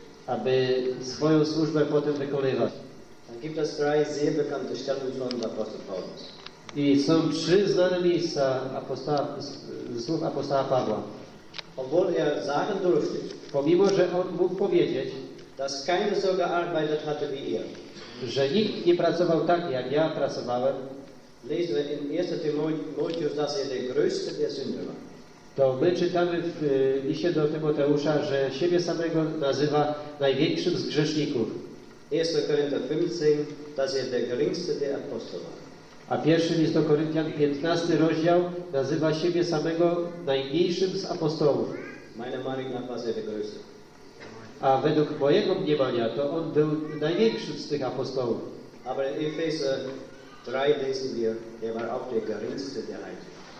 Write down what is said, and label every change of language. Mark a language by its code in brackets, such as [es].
[pl] aby swoją służbę potem wykonywać. [de] Gibt es drei sehr bekannte Stellen von Apostel Paulus. [pl] I są trzy znane miejsca słów apostoła Pawła. [de] Obwohl er sagen durfte, [pl] pomimo że on mógł powiedzieć, [de] dass keine so gearbeitet hatte wie er, [pl] że nikt nie pracował tak, jak ja pracowałem, [de] lesen wir in 1. Timotheus, dass er der größte der Sünder war. [pl] To my czytamy w liście do Tymoteusza, że siebie samego nazywa największym z grzeszników. [de] 1 Koryntian 15, das ist der geringste der Apostel. [pl] A pierwszy list do Koryntian, 15 rozdział, nazywa siebie samego najmniejszym z apostołów. [de] Meine Meinung nach war sehr größte. [pl] A według mojego mniemania, to on był największym z tych apostołów. [de] Aber in Epheser 3 lesen wir, er war auch der geringste der Heiligen.